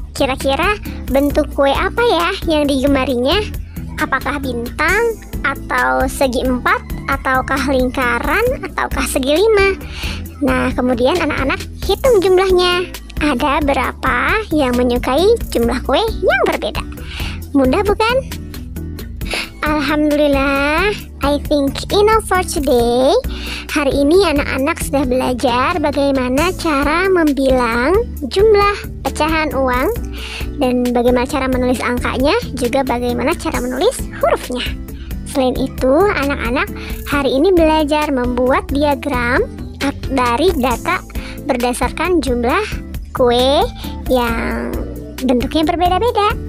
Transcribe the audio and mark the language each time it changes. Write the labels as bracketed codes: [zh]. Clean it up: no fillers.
[id] Kira-kira bentuk kue apa ya yang digemarinya? Apakah bintang, atau segi 4, ataukah lingkaran, ataukah segi 5? Nah, kemudian anak-anak hitung jumlahnya. Ada berapa yang menyukai jumlah kue yang berbeda? Mudah bukan? [en] Alhamdulillah, I think enough for today. [id] Hari ini anak-anak sudah belajar bagaimana cara membilang jumlah pecahan uang dan bagaimana cara menulis angkanya, juga bagaimana cara menulis hurufnya. Selain itu, anak-anak hari ini belajar membuat diagram dari data berdasarkan jumlah kue yang bentuknya berbeda-beda.